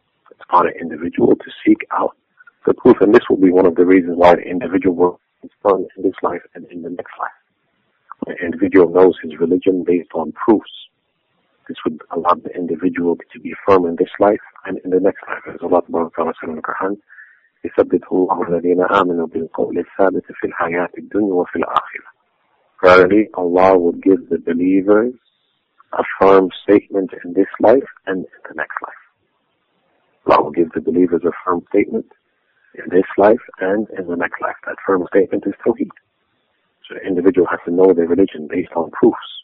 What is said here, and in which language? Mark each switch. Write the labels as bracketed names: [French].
[English] It's upon an individual to seek out the proof, and this will be one of the reasons why an individual will confirm in this life and in the next life. An individual knows his religion based on proofs. This would allow the individual to be firm in this life and in the next life. As Allah Ta'ala said in the Quran, [Arabic] يَثَبِّتُ اللَّهُ الَّذِينَ آمَنُوا بِالْقَوْلِ الثَّابِتِ فِي الْحَيَاةِ الدُّنْيَا وَفِي الْآخِرَةِ. [English] Verily, Allah would give the believers a firm statement in this life and in the next life. Allah will give the believers a firm statement in this life and in the next life. That firm statement is Tawheed. So the individual has to know their religion based on proofs.